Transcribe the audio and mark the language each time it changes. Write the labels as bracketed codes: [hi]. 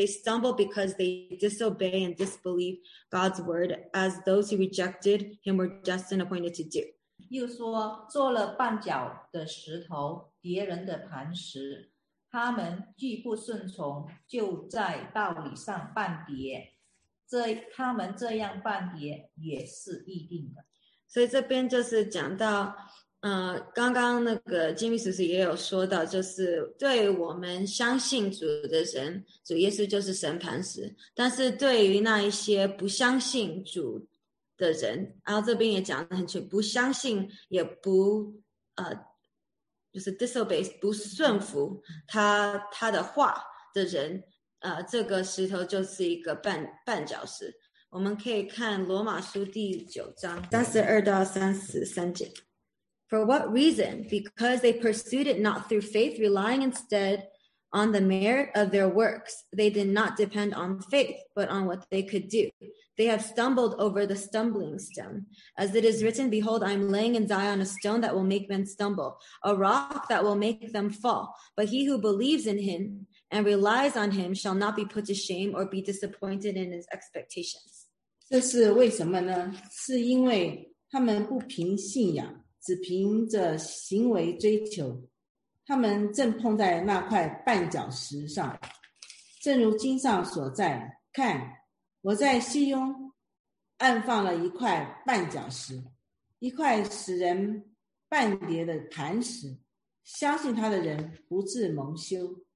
[en] They stumble because they disobey and disbelieve God's word as those who rejected him were destined appointed to do. [zh] 又说做了绊脚的石头，别人的磐石，他们既不顺从，就在道理上绊跌，他们这样绊跌也是预定的。所以这边就是讲到刚刚那个金米叔叔也有说到，就是对我们相信主的人，主耶稣就是神磐石，但是对于那一些不相信主的人，然后这边也讲得很清楚，不相信也不就是 disobey 不顺服他的话的人，这个石头就是一个绊脚石。我们可以看罗马书第9章32-33节。 [en] For what reason? Because they pursued it not through faith, relying instead on the merit of their works. They did not depend on faith, but on what they could do. They have stumbled over the stumbling stone. As it is written, Behold, I am laying in Zion a stone that will make men stumble, a rock that will make them fall. But he who believes in him and relies on him shall not be put to shame or be disappointed in his expectations. [zh] 这是为什么呢？是因为他们不凭信仰，只凭着行为追求，他们正碰在那块绊脚石上。正如经上所在，看，我在西庸安放了一块绊脚石，一块使人绊跌的磐石，相信他的人不至蒙羞。